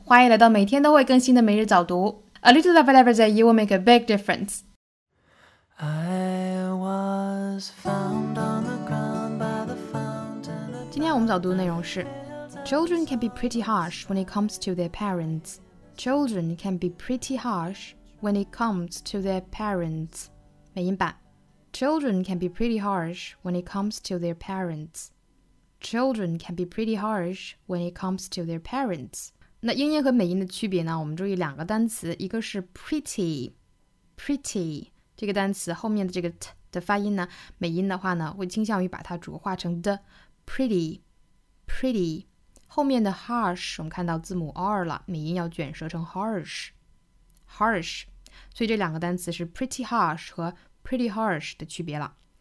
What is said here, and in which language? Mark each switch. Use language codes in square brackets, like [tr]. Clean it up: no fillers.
[zh] 欢迎来到每天都会更新的每日早读。 [en] A little of whatever's at you will make a big difference. I was found on the ground by the fountain. [zh] 今天我们早读的内容是 [en] Children can be pretty harsh when it comes to their parents. Children can be pretty harsh when it comes to their parents. [zh] 美音版 [en] Children can be pretty harsh when it comes to their parents. Children can be pretty harsh when it comes to their parents. [zh] 那英音和美音的区别呢？我们注意两个单词，一个是 pretty 这个单词后面的这个 t 的发音呢，美音的话呢会倾向于把它浊化成 d pretty 后面的 harsh 我们看到字母 r 了，美音要卷舌成 harsh 所以这两个单词是 pretty harsh 和 pretty harsh 的区别了。